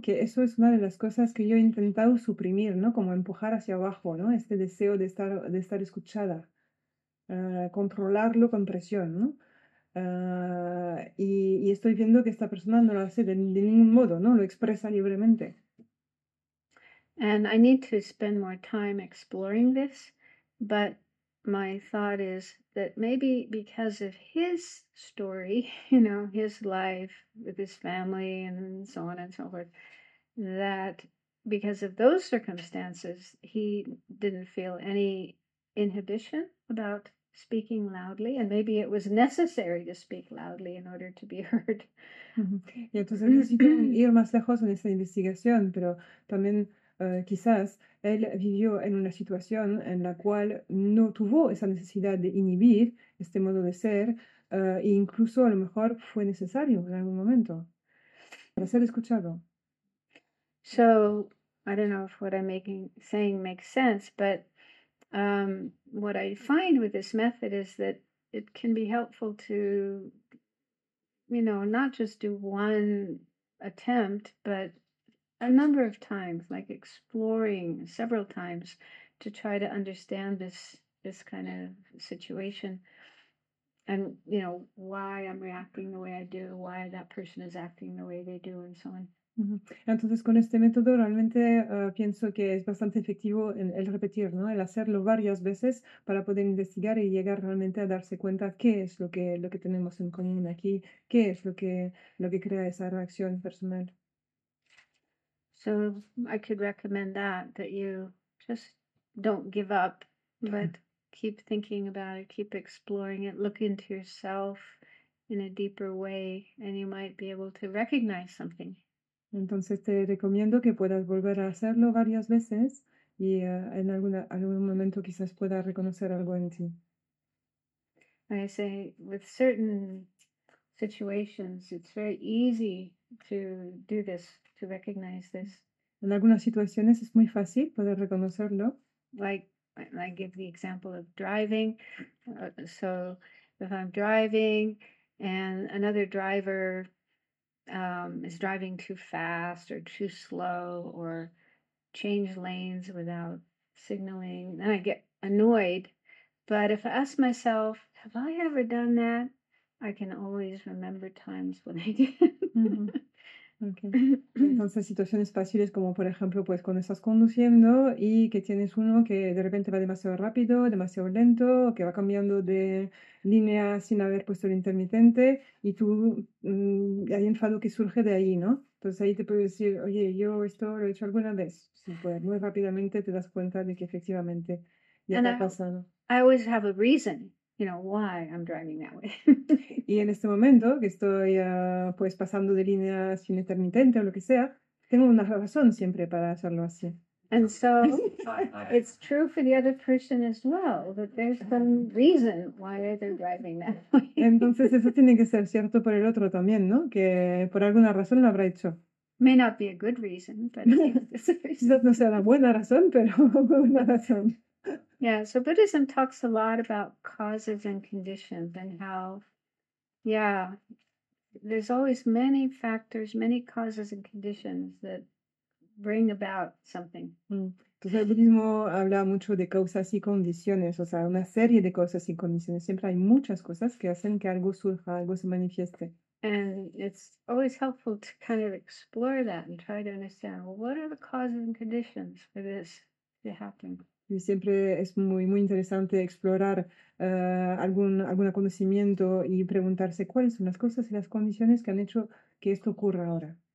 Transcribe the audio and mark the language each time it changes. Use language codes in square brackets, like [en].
[es] Que eso es una de las cosas que yo he intentado suprimir, ¿no? Como empujar hacia abajo, ¿no? Este deseo de estar escuchada, controlarlo con presión, ¿no? Y estoy viendo que esta persona no lo hace de ningún modo, ¿no? Lo expresa libremente. [en] And I need to spend more time exploring this, but my thought is that maybe because of his story, you know, his life with his family and so on and so forth, that because of those circumstances, he didn't feel any inhibition about speaking loudly, and maybe it was necessary to speak loudly in order to be heard. [es] Y entonces necesito ir más lejos en esta investigación, pero también quizás él vivió en una situación en la cual no tuvo esa necesidad de inhibir este modo de ser, e incluso a lo mejor fue necesario en algún momento para ser escuchado. [en] So, I don't know if what I'm saying makes sense, but what I find with this method is that it can be helpful to, you know, not just do one attempt, but a number of times, like exploring several times to try to understand this kind of situation and, you know, why I'm reacting the way I do, why that person is acting the way they do and so on. [es] Entonces, con este método realmente pienso que es bastante efectivo el repetir, ¿no? El hacerlo varias veces para poder investigar y llegar realmente a darse cuenta qué es lo que tenemos en común aquí, qué es lo que crea esa reacción personal. [en] So I could recommend that you just don't give up, but keep thinking about it, keep exploring it, look into yourself in a deeper way, and you might be able to recognize something. [es] Entonces te recomiendo que puedas volver a hacerlo varias veces y en algún momento quizás puedas reconocer algo en ti. [en] I say with certain situations, it's very easy to do this, to recognize this. [es] En algunas situaciones es muy fácil poder reconocerlo. [en] Like I give the example of driving. So if I'm driving and another driver is driving too fast or too slow or change lanes without signaling, and I get annoyed. But if I ask myself, have I ever done that? I can always remember times when I did. Okay. [es] Entonces, situaciones fáciles como, por ejemplo, pues cuando estás conduciendo y que tienes uno que de repente va demasiado rápido, demasiado lento, o que va cambiando de línea sin haber puesto el intermitente y tú hay enfado que surge de ahí, ¿no? Entonces ahí te puedes decir, oye, yo esto lo he hecho alguna vez. Sí, pues, muy rápidamente te das cuenta de que efectivamente ya te ha pasado. [en] I always have a reason. You know why I'm driving that way. [es] Y en este momento que estoy pues pasando de línea sin intermitente o lo que sea, tengo una razón siempre para hacerlo así. [en] And so it's true for the other person as well, that there's some reason why they're driving that way. [es] Entonces eso tiene que ser cierto por el otro también, ¿no? Que por alguna razón lo habrá hecho. [en] May not be a good reason, but [es] quizás no sea la buena razón, pero una razón. [en] Yeah, so Buddhism talks a lot about causes and conditions and how, yeah, there's always many factors, many causes and conditions that bring about something. [es] Entonces el budismo habla mucho de causas y condiciones, o sea, una serie de causas y condiciones. Siempre hay muchas cosas que hacen que algo surja, algo se manifieste. [en] And it's always helpful to kind of explore that and try to understand, well, what are the causes and conditions for this to happen? [es] Y siempre es muy, muy interesante explorar algún conocimiento y preguntarse cuáles son las cosas y las condiciones que han hecho que esto ocurra ahora.